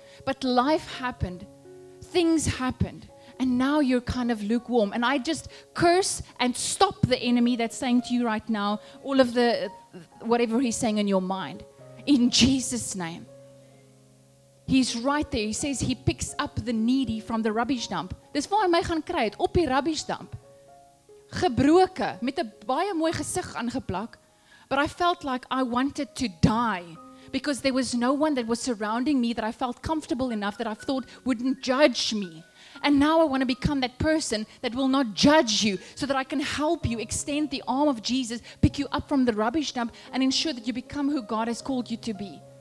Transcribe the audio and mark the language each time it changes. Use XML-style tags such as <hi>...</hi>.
<en>But life happened. Things happened. And now you're kind of lukewarm. And I just curse and stop the enemy that's saying to you right now, all of the whatever he's saying in your mind. In Jesus' name. He's right there. He says he picks up the needy from the rubbish dump.</en> <af>Dis waar hy my gaan kry het, op die rubbish dump. Gebroke, met 'n baie mooi gesig aangeplak.</af> <en>But I felt like I wanted to die because there was no one that was surrounding me that I felt comfortable enough that I thought wouldn't judge me. And now I want to become that person that will not judge you so that I can help you extend the arm of Jesus, pick you up from the rubbish dump and ensure that you become who God has called you to be.</en>